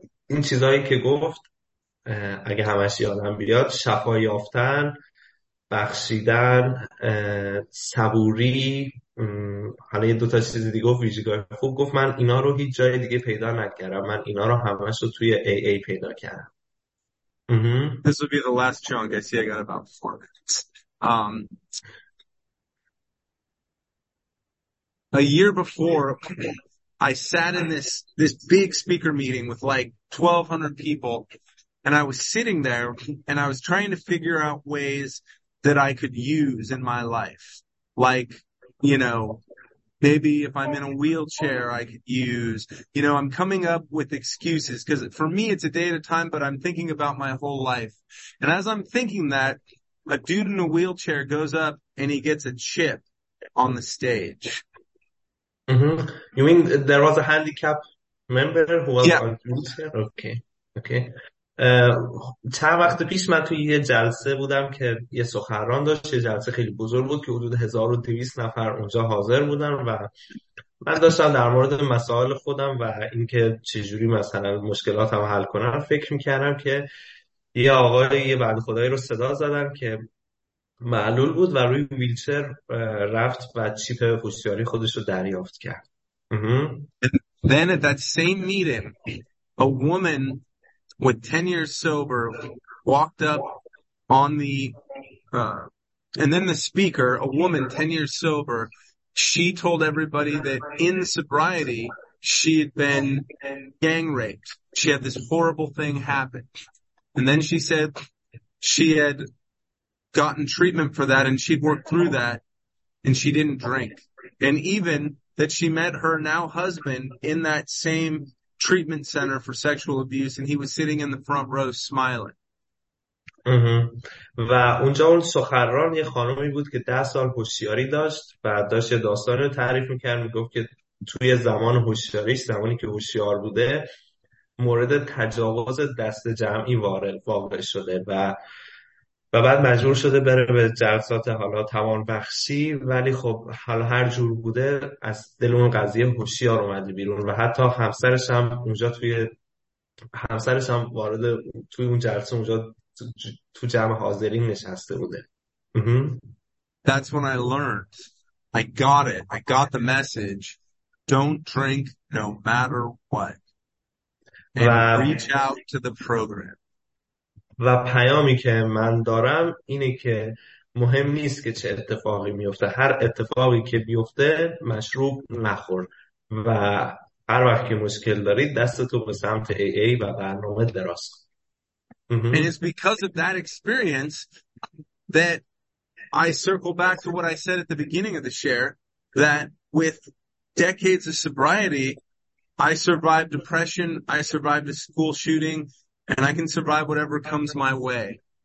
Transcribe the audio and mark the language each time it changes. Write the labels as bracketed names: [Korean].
[Persian] این چیزایی که گفت اگه همش یادم بیاد، شفا یافتن، بخشیدن، صبوری، حالا یه دوتا چیز دیگه گفت، ویژگاه خوب گفت، من اینا رو هیچ جای دیگه پیدا نکردم، من اینا رو همش رو توی AA پیدا کردم. [English] This will be the last chunk. I see I got about 4 minutes. A year before, I sat in this big speaker meeting with like 1,200 people, and I was sitting there, and I was trying to figure out ways that I could use in my life. Like, you know, maybe if I'm in a wheelchair, I could use, you know, I'm coming up with excuses because for me, it's a day at a time, but I'm thinking about my whole life. And as I'm thinking that, a dude in a wheelchair goes up and he gets a chip on the stage. You mean there was a handicapped member who was on wheelchair? Okay. [Persian] چند وقت پیش من توی یه جلسه بودم که یه سخنران داشت، یه جلسه خیلی بزرگ بود که حدود 1200 نفر اونجا حاضر بودن و من داشتم در مورد مسائل خودم و اینکه چجوری مثلا مشکلاتم حل کنم فکر میکردم که یه آقای یه بعد خدایی رو صدا زدم که معلول بود و روی ویلچر رفت و چیپ هوشیاری خودش رو دریافت کرد. [English] Then at that same meeting, a woman with 10 years sober walked up on the and then the speaker, a woman 10 years sober, she told everybody that in sobriety she had been gang raped. She had this horrible thing happen, and then she said she had gotten treatment for that and she'd worked through that and she didn't drink, and even that she met her now husband in that same treatment center for sexual abuse and he was sitting in the front row smiling. [Persian] و اونجا اون سخنران یه خانمی بود که 10 سال هوشیاری داشت و داشت داستان رو تعریف می‌کرد، میگفت که توی زمان هوشیاریش، زمانی که هوشیار بوده، مورد تجاوز دست جمعی واقع شده و بعد مجبور شده بره به جلسات حالا توان بخشی، ولی خب حالا هر جور بوده از دل اون قضیه هوشیار اومده بیرون و حتی همسرش هم اونجا توی همسرش هم وارد توی اون جلسه اونجا تو جمع حاضرین نشسته بوده. [English] That's when I learned. I got it. I got the message. Don't drink no matter what. [Persian] و [English] And reach out to the program. [Persian] و پیامی که من دارم اینه که مهم نیست که چه اتفاقی میفته، هر اتفاقی که بیفته مشروب نخور و هر وقت که مشکل دارید دستتو به سمت AA و برنامه دراز کن. [English] And it's because of that experience that I circle back to what I said at the beginning of the share, that with decades of sobriety, I survived depression, I survived a school shooting, and I can survive whatever comes my way.